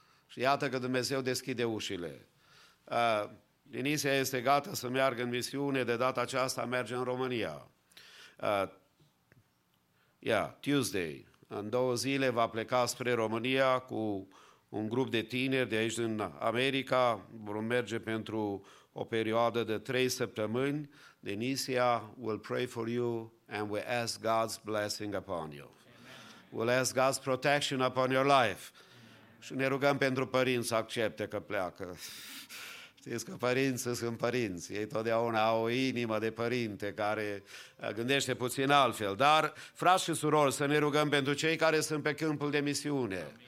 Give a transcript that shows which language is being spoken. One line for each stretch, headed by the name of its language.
Romanian: Și iată că Dumnezeu deschide ușile. Denisia este gata să meargă în misiune, de data aceasta merge în România. Tuesday, în două zile va pleca spre România cu un grup de tineri de aici din America, vor merge pentru o perioadă de 3 săptămâni.
English: Denisia, will pray for you and we ask God's blessing upon you. Amen. We'll ask God's protection upon your life. Amen.
Romanian: Și ne rugăm pentru părinți să accepte că pleacă. Știți că părinții sunt părinți. Ei totdeauna au o inimă de părinte care gândește puțin altfel. Dar, frați și surori, să ne rugăm pentru cei care sunt pe câmpul de misiune.